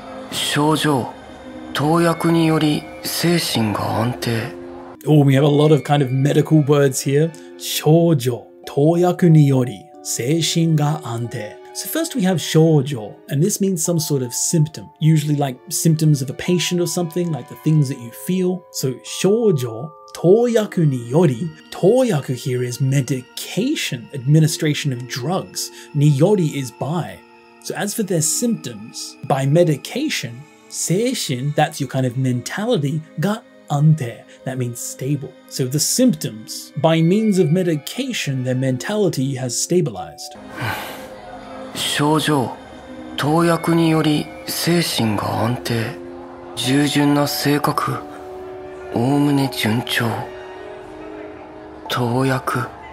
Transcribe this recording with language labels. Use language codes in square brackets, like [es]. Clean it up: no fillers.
[ja] 症状、投薬により精神が安定。 [en] Oh, we have a lot of kind of medical words here. [ja] 症状、投薬により精神が安定。 [en] So first we have 症状, and this means some sort of symptom, usually like symptoms of a patient or something, like the things that you feel. So 症状、投薬により、投薬 here is medication, administration of drugs. により is by. So as for their symptoms, by medication, 精神, that's your kind of mentality, が安定. That means stable. So the symptoms, by means of medication, their mentality has stabilized. [ja] 症状、投薬により精神が安定、従順な性格、おおむね順調、投薬。